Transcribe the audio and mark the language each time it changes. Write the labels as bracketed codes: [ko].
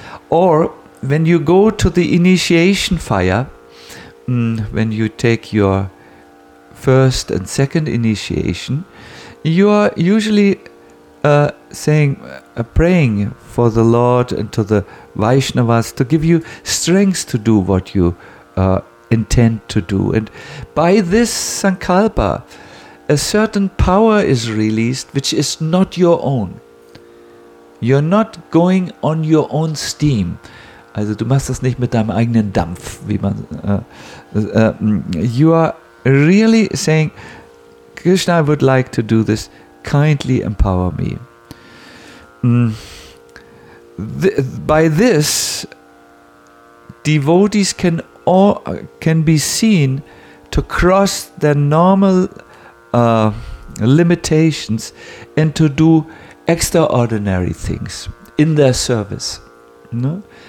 [en] Or when you go to the initiation fire, when you take your first and second initiation, you are usually praying for the Lord and to the Vaishnavas to give you strength to do what you intend to do. And by this Sankalpa, a certain power is released which is not your own. You're not going on your own steam. [de] Also du machst das nicht mit deinem eigenen Dampf, wie man... [en] you are really saying, Krishna, I would like to do this. Kindly empower me. By this, devotees can be seen to cross their normal limitations and to do extraordinary things in their service. No?